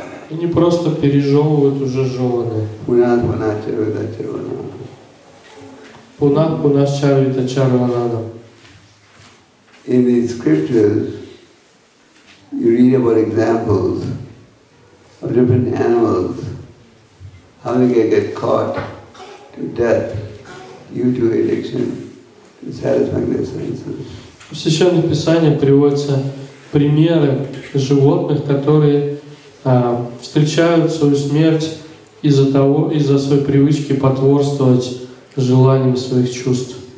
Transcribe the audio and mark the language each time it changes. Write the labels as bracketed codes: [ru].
[ru] Они просто пережевывают уже жеванное. [sa] Пунат пунат чарвита чарвананда. [en] In the scriptures, you read about examples of different animals, how they get caught to death due to addiction to satisfying their senses. [ru] В Священном Писании приводятся примеры животных, которые встречают свою смерть из-за своей привычки потворствовать желаниям своих чувств.